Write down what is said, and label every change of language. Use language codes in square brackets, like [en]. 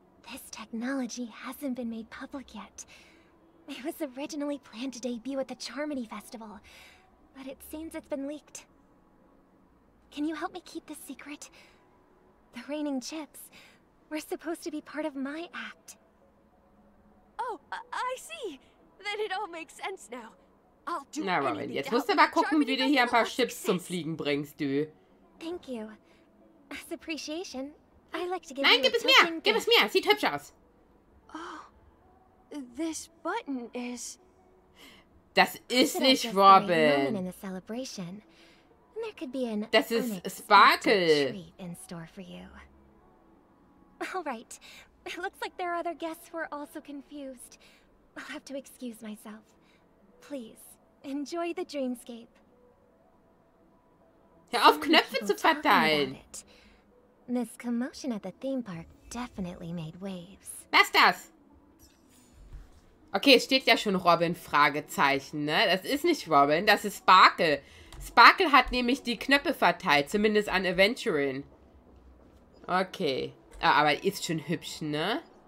[en] This technology hasn't been made public yet. It was originally planned to debut at the Charmony Festival, but it seems it's been leaked. Can you help me keep this secret? The reigning chips... We're supposed to be part of my act. Oh, I see. Then it all makes sense now. I'll do [de] Na, Robin, jetzt musst du aber gucken, wie du hier ein paar Chips zum Fliegen bringst, du. [en] Thank you. As appreciation, I like to give [de] Nein, gib es mir! Gib es mir! Sieht hübsch aus! [en] Oh, this button is... [de] Das ist nicht Robin! [en] In the celebration. There could be an [de] das ist Sparkle! [en] Treat in store for you. All right. It looks like there are other guests who are also confused. I'll have to excuse myself. Please, enjoy the dreamscape. [de] Hör auf, Knöpfe zu verteilen. [en] This commotion at the theme park definitely made waves. [de] Was ist das? Okay, es steht ja schon Robin Fragezeichen, ne? Das ist nicht Robin, das ist Sparkle. Sparkle hat nämlich die Knöpfe verteilt, zumindest an Aventurine. Okay. Ah, aber ist schon hübsch, ne?